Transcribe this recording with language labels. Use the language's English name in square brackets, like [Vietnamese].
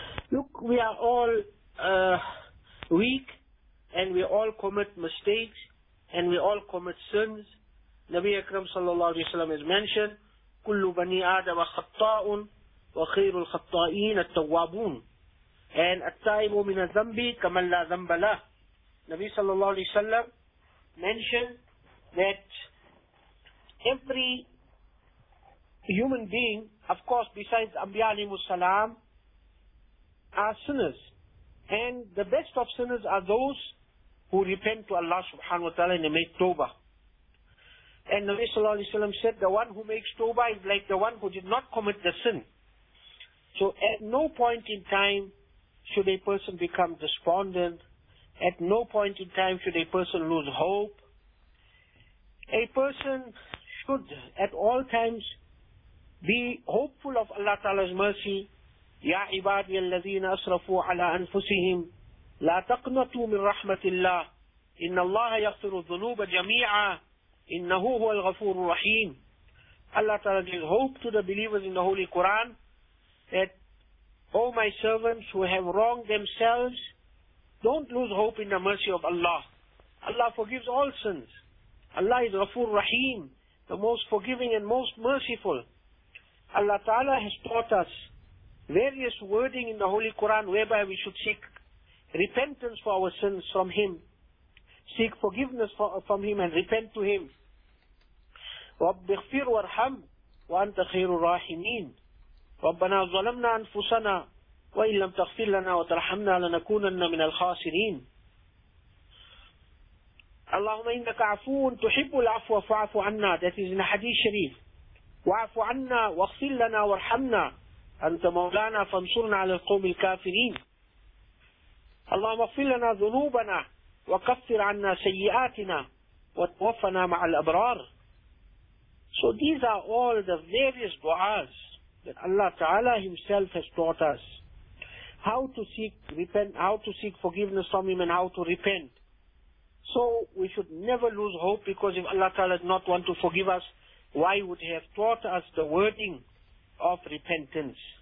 [English] Look, we are all weak and we all commit mistakes. And we all commit sins. [Arabic] Nabi Akram sallallahu alayhi wa sallam [English] has mentioned, [Arabic] كُلُّ بَنِي آدَمَ خَطَّاءٌ وَخِيرُ الْخَطَّائِينَ التَّوَّابُونَ And التَّائِمُ مِنَ الذَّنْبِ كَمَنْ لَا ذَنْبَ لَهُ. [English] Nabi sallallahu alayhi wa sallam mentioned that every human being, of course besides Anbiya alayhimu salam, are sinners. And the best of sinners are those who repent to Allah subhanahu wa ta'ala and they make tawbah. And Nabi sallallahu alayhi wa sallam said, the one who makes tawbah is like the one who did not commit the sin. So at no point in time should a person become despondent. At no point in time should a person lose hope. A person should at all times be hopeful of Allah ta'ala's mercy. [Arabic] Ya ibadiya alladhina asrafu ala anfusihim. لا تقنطوا من رحمة الله إن الله يغفر الذنوب جميعا إنه هو الغفور الرحيم. [English] Allah Ta'ala gives hope to the believers in the Holy Quran that, oh my servants who have wronged themselves, don't lose hope in the mercy of Allah. Allah forgives all sins. Allah is [Arabic] غفور رحيم, [English] the most forgiving and most merciful. Allah Ta'ala has taught us various wording in the Holy Quran whereby we should seek repentance for our sins from Him. Seek forgiveness from Him and repent to Him. [Arabic] رَبِّ اغْفِرْ وَارْحَمْ وَأَنْتَ خَيْرُ الرَّاحِمِينَ رَبَّنَا ظَلَمْنَا أَنفُسَنَا وَإِنْ لَمْ تَغْفِرْ لَنَا وَتَرْحَمْنَا لَنَكُونَنَّ مِنَ الْخَاسِرِينَ اللهم إنك عفو تحب العفو فاعف عنا. [English] That is in the Hadith Sharif. [Arabic] وَعَفُ عَنَّا وَاغْفِرْ لَنَا وَارْحَمْنَا أَنْتَ مَوْلَانَا فَانْصُرْنَا عَلَى الْقَوْمِ الْكَافِرِينَ. اللهم اغفر لنا ذنوبنا وكفر عنا سيئاتنا وتوفنا مع الأبرار. [English] So these are all the various du'as that Allah Ta'ala Himself has taught us. How to seek repent, how to seek forgiveness from Him and how to repent. So we should never lose hope, because if Allah Ta'ala did not want to forgive us, why would He have taught us the wording of repentance?